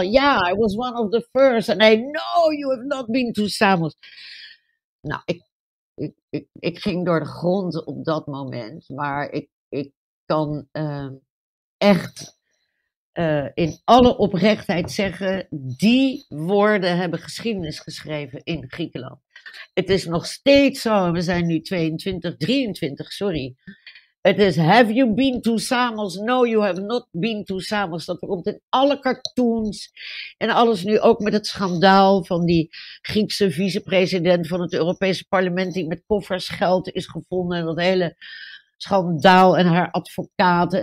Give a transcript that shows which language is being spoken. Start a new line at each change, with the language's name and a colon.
English: Ja, yeah, I was one of the first. And I know you have not been to Samos.
Dutch: Nou, ik ging door de grond op dat moment. Maar ik kan echt in alle oprechtheid zeggen. Die woorden hebben geschiedenis geschreven in Griekenland. Het is nog steeds zo, we zijn nu 22, 23, sorry. Het is,
English: have you been to Samos? No, you have not been to Samos.
Dutch: Dat komt in alle cartoons en alles nu ook met het schandaal van die Griekse vicepresident van het Europese parlement die met koffers geld is gevonden en dat hele schandaal en haar advocaten.